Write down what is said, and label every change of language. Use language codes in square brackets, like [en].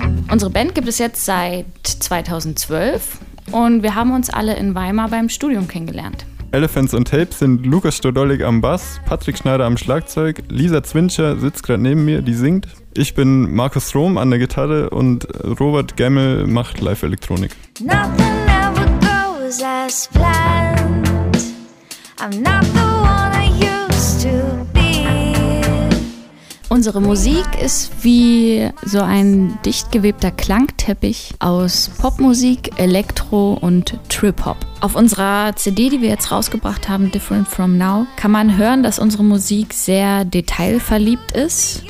[de] Unsere Band gibt es jetzt seit 2012 und wir haben uns alle in Weimar beim Studium kennengelernt. Elephants on Tape sind Lukas Stodolik am Bass, Patrick Schneider am Schlagzeug, Lisa Zwinscher sitzt gerade neben mir, die singt. Ich bin Markus Strom an der Gitarre und Robert Gemmel macht Live-Elektronik. [en] Nothing ever goes as planned. I'm not the one I used to be. [de] Unsere Musik ist wie so ein dicht gewebter Klangteppich aus Popmusik, Elektro und Trip-Hop. Auf unserer CD, die wir jetzt rausgebracht haben, Different From Now, kann man hören, dass unsere Musik sehr detailverliebt ist.